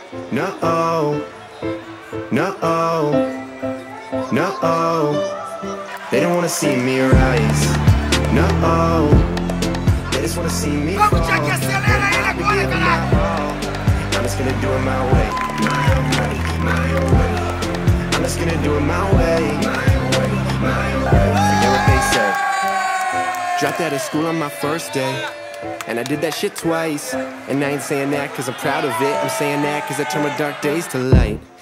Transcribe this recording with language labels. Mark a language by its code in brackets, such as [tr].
[en] No, no, no, they don't wanna see me rise. No, they just wanna see me fall. [pt] Vamos, Jack, acelera ele agora, caralho! [en] I'm just gonna do it my way. My own way, my own way. I'm just gonna do it my way. My own way, my own way. Forget what they say. Dropped out of school on my first day. And I did that shit twice. And I ain't saying that cause I'm proud of it. I'm saying that cause I turn my dark days to light.